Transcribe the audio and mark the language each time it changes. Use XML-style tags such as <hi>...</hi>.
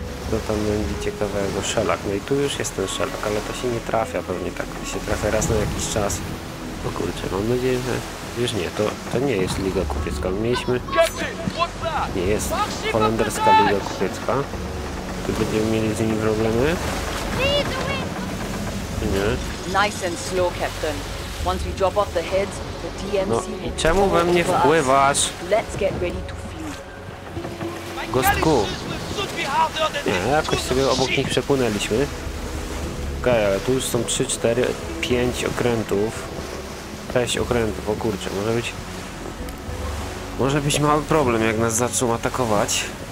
<pl>Co tam będzie ciekawego. Szelak. No i tu już jest ten szelak, ale to się nie trafia pewnie tak. To się trafia raz na jakiś czas. O kurczę, mam nadzieję, że... Już nie, to nie jest Liga Kupiecka. Mieliśmy... Nie jest holenderska Liga Kupiecka. Czy będziemy mieli z nimi problemy? Nie.</pl> <en>Nice and slow, Captain. Once we drop off the heads, the DMC.</en> <pl>No i czemu we mnie wpływasz?</pl> <en>Let's get ready to feed.</en> <pl>Gostku. Nie, jakoś sobie obok nich przepłynęliśmy. Okej, ale tu już są 3, 4, 5 okrętów. 6 okrętów, o kurczę, może być. Może być mały problem, jak nas zaczną atakować.</pl>